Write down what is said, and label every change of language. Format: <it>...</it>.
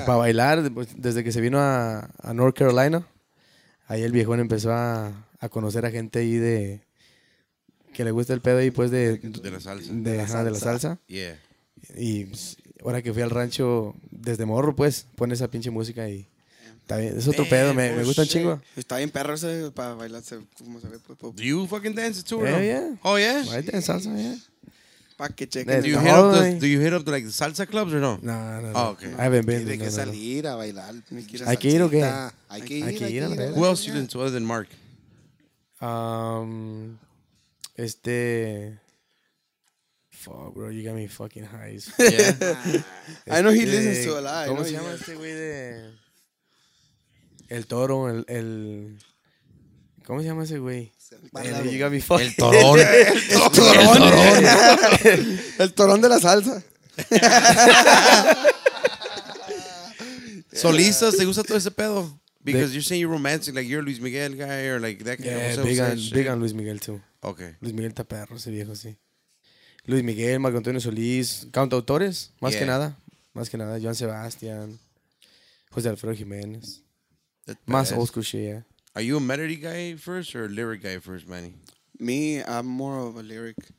<es>Sí, para bailar, pues, desde que se vino a North Carolina, ahí el viejo empezó a conocer a gente ahí de que le gusta el pedo ahí pues de la salsa de la salsa</es> <en>yeah.</en> <es>Y pues, ahora que fui al rancho desde morro pues pone esa pinche música y también es otro pedo me gusta un chingo está bien perro ese para bailarse como se ve pues</es> <en>do you fucking dance too yeah, no? Yeah. Oh yeah I dance salsa yeah</en> <es>Pa' que chequen.</es> <en>Do you, hit up those, do you hit up the, like, the salsa clubs or no? No, no, no. Oh, okay. I haven't been.</en> <es>Tiene que salir a bailar. Hay que ir, okay. Hay que ir.</es> <en>Who else you been to other than Mark? Fuck, bro. You got me fucking high. Yeah. I know he listens to a lot.</en> <es>¿Cómo se llama este güey de... El Toro, el... ¿Cómo se llama ese güey?</es> <en>You got me fucking...</en> <es>El Torón. El Torón. El Torón. El Torón de la salsa. Solistas, ¿te gusta todo ese pedo?</es> <en>Because you're saying you're romantic, like you're a Luis Miguel guy, or like that kind of... Yeah, big on, big on Luis Miguel too. Okay.</en> <es>Luis Miguel está perro, ese viejo, sí. Luis Miguel, Marco Antonio Solís, cantautores, más que nada. Más que nada, Joan Sebastián, José Alfredo Jiménez. Más</es> <en>old school shit, yeah. Are you a melody guy first or a lyric guy first, Manny? Me, I'm more of a lyric.</en>